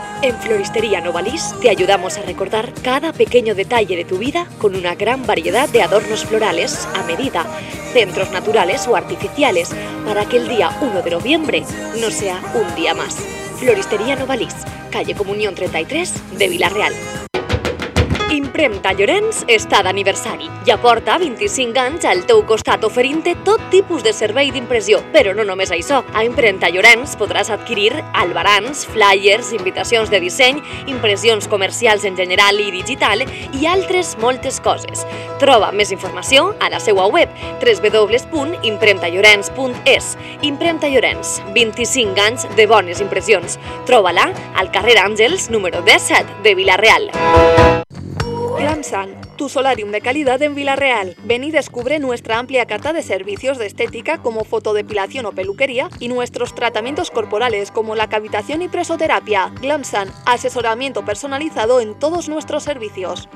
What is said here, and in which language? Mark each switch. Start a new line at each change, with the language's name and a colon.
Spanish: En Floristería Novalís te ayudamos a recordar cada pequeño detalle de tu vida con una gran variedad de adornos florales a medida, centros naturales o artificiales, para que el día 1 de noviembre no sea un día más. Floristería Novalís, calle Comunión 33 de Villarreal.
Catalan: Impremta Llorenç està d'aniversari. Ja porta 25 anys al teu costat oferint-te tot tipus de servei d'impressió. Però no només això. A Impremta Llorenç podràs adquirir albarans, flyers, invitacions de disseny, impressions comercials en general i digital i altres moltes coses. Troba més informació a la seva web www.impremtallorenç.es. Impremta Llorenç, 25 anys de bones impressions. Troba-la al carrer Àngels número 17 de Villarreal.
Spanish: Glam Sun, tu solarium de calidad en Villarreal. Ven y descubre nuestra amplia carta de servicios de estética como fotodepilación o peluquería y nuestros tratamientos corporales como la cavitación y presoterapia. Glam Sun, asesoramiento personalizado en todos nuestros servicios.